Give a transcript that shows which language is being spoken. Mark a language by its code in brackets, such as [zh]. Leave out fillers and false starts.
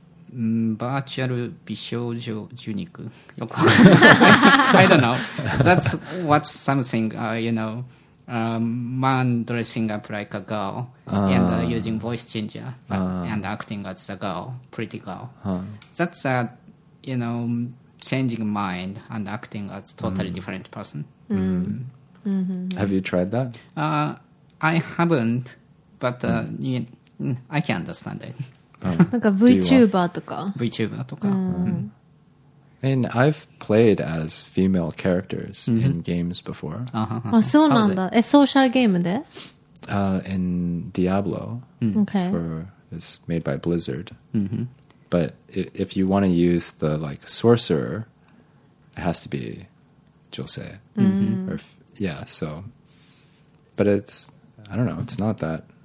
[ja] バーチャル美少女ジュニク。よくわかんない。 [en] I don't know. That's what's something, you know, man dressing up like a girl and、using voice changer and acting as a girl, pretty girl.、That's a, you know, changing mind and acting as totally different person. Have you tried that?、 I haven't, but、you know,I can understand it. [ja] なんか VTuber とか VTuber とか、 [en] I mean, I've played as female characters、in games before、 [ja] あ、そうなんだ、え、ソーシャルゲームで、 [en] In Diablo、 okay. for, it's made by Blizzard、 mm-hmm. But if you want to use the like sorcerer, it has to be Jose、 mm-hmm. or, Yeah, so But it's, I don't know, it's not that、